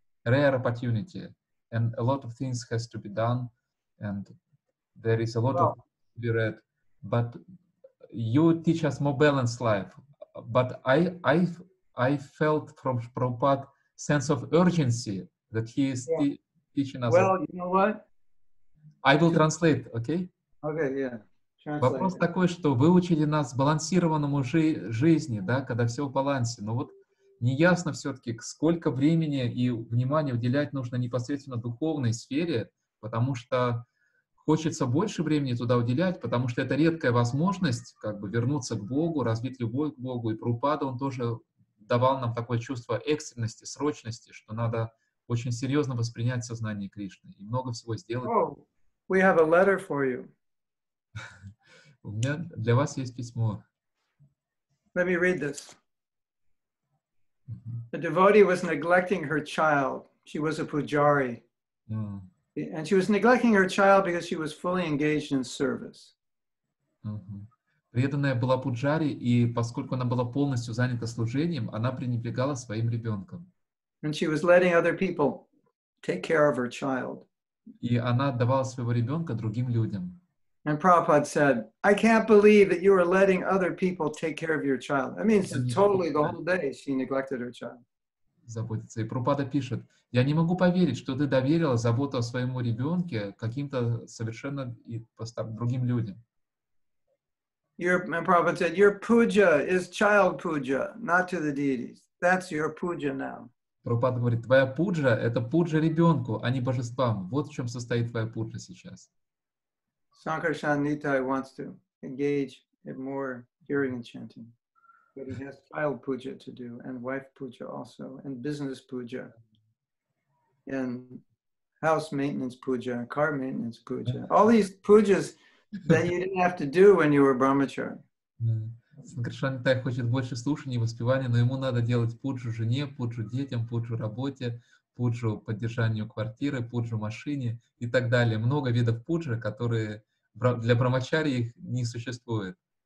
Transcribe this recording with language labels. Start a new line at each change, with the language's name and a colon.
English: Rare opportunity, and a lot of things has to be done, and there is a lot of to be read. But you teach us more balanced life. But I felt from Prabhupada sense of urgency that he is teaching us. Well, you know what? I will translate. Okay. Okay. Yeah.
Russian: Вопрос такой, что вы учили нас сбалансированному жизни, да, когда все в балансе. Но вот неясно все-таки, сколько времени и внимания уделять нужно непосредственно духовной сфере, потому что хочется больше времени туда уделять, потому что это редкая возможность как бы вернуться к Богу, развить любовь к Богу. И Прабхупада, он тоже давал нам такое чувство экстренности, срочности, что надо очень серьезно воспринять сознание Кришны и много всего сделать.
English: Oh, we have a letter for you.
Russian: У меня для вас есть письмо.
English: Let me read this. The devotee was neglecting her child. She was a pujari. And she was neglecting her child because she was fully engaged in service.
Russian: Преданная была пуджари, и поскольку она была полностью занята служением, она пренебрегала своим ребенком.
English: And she was letting other people take care of her child.
Russian: И она отдавала своего ребенка другим людям.
English: And Prabhupada said, I can't believe that you are letting other people take care of your child. I mean, so totally the whole day she neglected her child.
Russian: Заботится. И Прабхупада пишет, я не могу поверить, что ты доверила заботу о своему ребенке каким-то совершенно другим людям.
English: And Prabhupada said, your puja is child puja, not to the deities. That's your puja now.
Russian: Прабхупада говорит, твоя пуджа – это пуджа ребенку, а не божествам. Вот в чем состоит твоя пуджа сейчас.
English: Sankarshan Nitai wants to engage in more hearing and chanting. But he has child puja to do, and wife puja also, and business puja, and house maintenance puja, and car maintenance puja. All these pujas that you didn't have to do when you were brahmachari.
Russian: Sankarshan Nitai хочет больше слушания и воспевания, но ему надо делать пуджу жене, пуджу детям, пуджу работе, пуджу поддержанию квартиры, пуджу машине и так далее. Много видов пуджи, которые для брамачари их не существует.